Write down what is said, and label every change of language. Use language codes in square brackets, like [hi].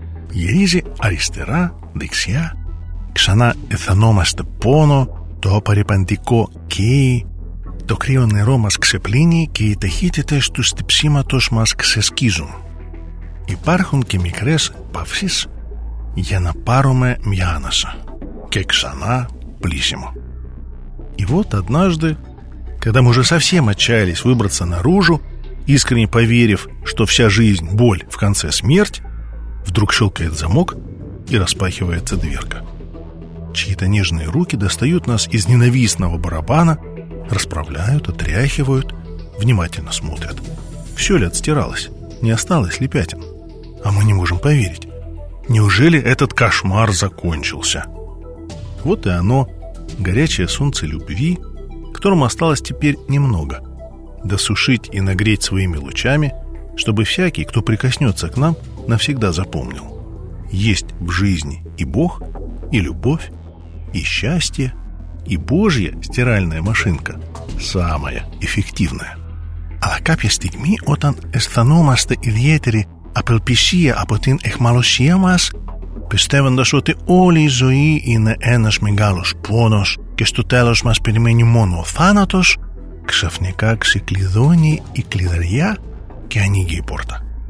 [el] Γυρίζει αριστερά, δεξιά. Ξανά αισθανόμαστε πόνο, το απαρρυπαντικό καίει. Το κρύο νερό μας ξεπλύνει και οι ταχύτητες του στυψίματος μας ξεσκίζουν. Υπάρχουν και μικρές παύσεις για να πάρουμε μια άνασα. Και ξανά πλήσιμο. [ru] И вот однажды, когда мы уже совсем отчаялись выбраться наружу, искренне поверив, что вся жизнь – боль, в конце – смерть, вдруг щелкает замок и распахивается дверка. Чьи-то нежные руки достают нас из ненавистного барабана, расправляют, отряхивают, внимательно смотрят. Все ли отстиралось? Не осталось ли пятен? А мы не можем поверить. Неужели этот кошмар закончился? Вот и оно – горячее солнце любви, которому осталось теперь немного, досушить и нагреть своими лучами, чтобы всякий, кто прикоснется к нам, навсегда запомнил: есть в жизни и Бог, и любовь, и счастье, и Божья стиральная машинка самая эффективная. [el] Αλλά κάποια στιγμή, όταν αισθανόμαστε ιδιαίτερη απελπισία από την αιχμαλωσία μας, πιστεύοντας ότι όλη η ζωή είναι ένας μεγάλος πόνος και στο τέλος μας περιμένει μόνο ο θάνατος, ξαφνικά ξεκλειδώνει η κλειδαριά και ανοίγει η πόρτα.